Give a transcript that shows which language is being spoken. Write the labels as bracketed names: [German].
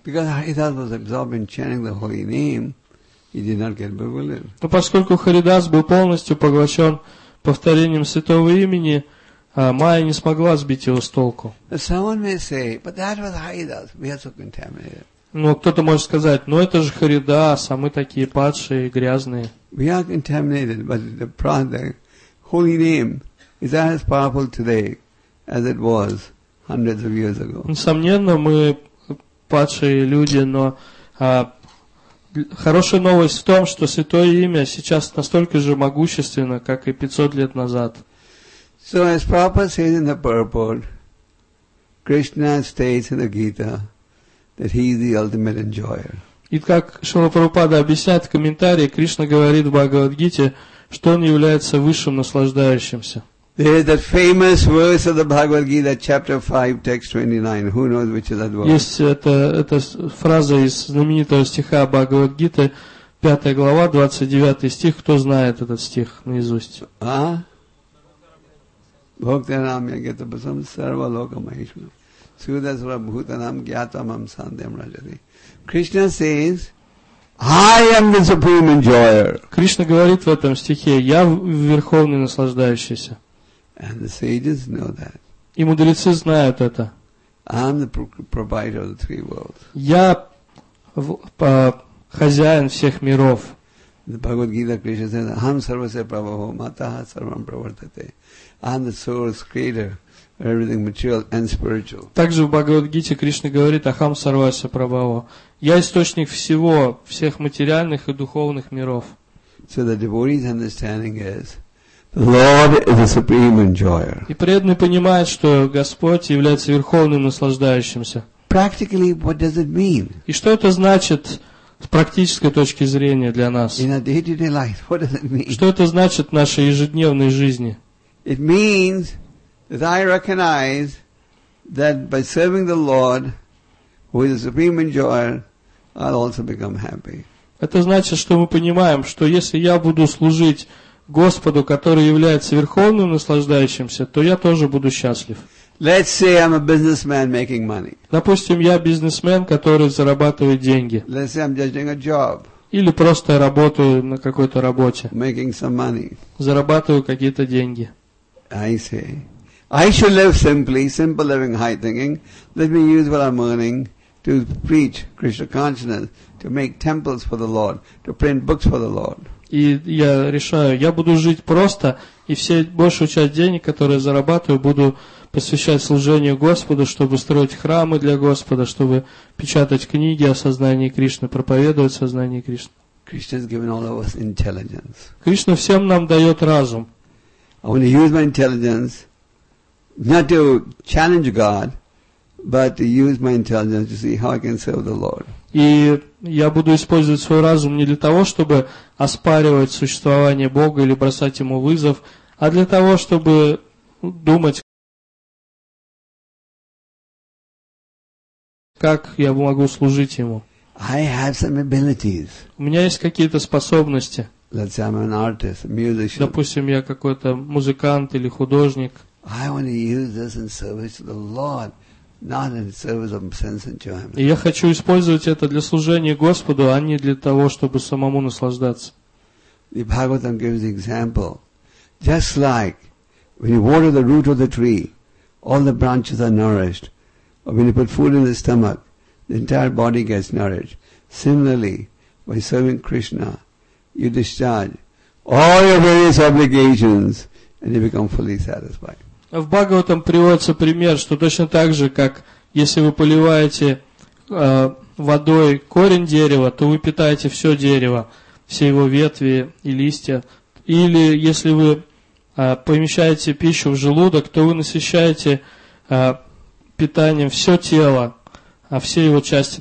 [English] Because Haridas was absorbed in chanting the holy name, he did not get bewildered. [Russian] Но поскольку Харидас был полностью поглощен повторением святого имени, Майя не смогла сбить его с толку. [English] Someone may say, but that was Haridas. We are so contaminated. [Russian] Ну, кто-то может сказать, ну это же Харидас, а мы такие падшие, грязные. [English] We are contaminated, but the holy name is that as powerful today as it was hundreds of years ago. [Russian] Несомненно, мы падшие люди, но хорошая новость в том, что святое имя сейчас настолько же могущественно, как и 500 лет назад. [English] So as Prabhupada says in the purport, Krishna states in the Gita that he is the ultimate enjoyer. [Russian] И как Шрила Прабхупада объясняет в комментарии, Кришна говорит в Бхагавад-гите, что он является высшим наслаждающимся. [English] There is that famous verse of the Bhagavad Gita, chapter 5, text 29. Who knows which is that verse? [Russian] Есть эта фраза из знаменитого стиха Бхагавад Гиты, 5 глава, 29 стих. Кто знает этот стих наизусть? [Sanskrit] А? Бхоктарам ягетабасам сарвалокамайшна. Судасра бхутанам гьятамам сандем раджати. [English] Krishna says, I am the supreme enjoyer. [Russian] Кришна говорит в этом стихе, я верховный наслаждающийся. [English] And the sages know that. [Russian] И мудрецы знают это. [English] I'm the provider of the three worlds. [Russian] Я хозяин всех миров. [English] The Bhagavad Gita Krishna says, [Sanskrit] "Aham sarvasya prabhavo mataha sarvam pravartate." [English] I'm the source creator of everything material and spiritual. [Russian] Также в Бхагавад Гите Кришна говорит, [Sanskrit] "Aham sarvasya prabhavo." [Russian] Я источник всего, всех материальных и духовных миров. [English] So the devotee's understanding is, the Lord is the supreme enjoyer. [Russian] И преданный понимает, что Господь является верховным наслаждающимся. [English] Practically, what does it mean? [Russian] И что это значит с практической точки зрения для нас? [English] In a day-to-day life, what does it mean? [Russian] Что это значит в нашей ежедневной жизни? [English] It means that I recognize that by serving the Lord, who is the supreme enjoyer, I'll also become happy. [Russian] Это значит, что мы понимаем, что если я буду служить Господу, который является верховным наслаждающимся, то я тоже буду счастлив. [English] Let's say I'm a businessman making money. [Russian] Допустим, я бизнесмен, который зарабатывает деньги. [English] Let's say I'm judging a job. [Russian] Или просто работаю на какой-то работе. [English] Making some money. [Russian] Зарабатываю какие-то деньги. [English] I say, I should live simply, simple living, high thinking. Let me use what I'm earning to preach Krishna consciousness, to make temples for the Lord, to print books for the Lord. [Russian] и я решаю, я буду жить просто, и все большую часть денег, которые зарабатываю, буду посвящать служению Господу, чтобы строить храмы для Господа, чтобы печатать книги о сознании Кришны, проповедовать сознание Кришны. [English] Krishna's given all of us intelligence. [Russian] Кришна всем нам дает разум. [English] I want to use my intelligence not to challenge God, but to use my intelligence to see how I can serve the Lord. [Russian] И я буду использовать свой разум не для того, чтобы оспаривать существование Бога или бросать ему вызов, а для того, чтобы думать, как я могу служить ему. [English] I have some abilities. [Russian] У меня есть какие-то способности. [English] Let's say I'm an artist, a musician. [Russian] Допустим, я какой-то музыкант или художник. [English] I want to use this in service to the Lord, not in service of sense enjoyment. [Russian] И я хочу использовать это для служения Господу, а не для того, чтобы самому наслаждаться. [English] The Bhagavatam gives the example, just like when you water the root of the tree, all the branches are nourished. Or when you put food in the stomach, the entire body gets nourished. Similarly, by serving Krishna, you discharge all your various obligations and you become fully satisfied. [Russian] В Бхагаватам приводится пример, что точно так же, как если вы поливаете водой корень дерева, то вы питаете все дерево, все его ветви и листья. Или если вы помещаете пищу в желудок, то вы насыщаете питанием все тело, а все его части.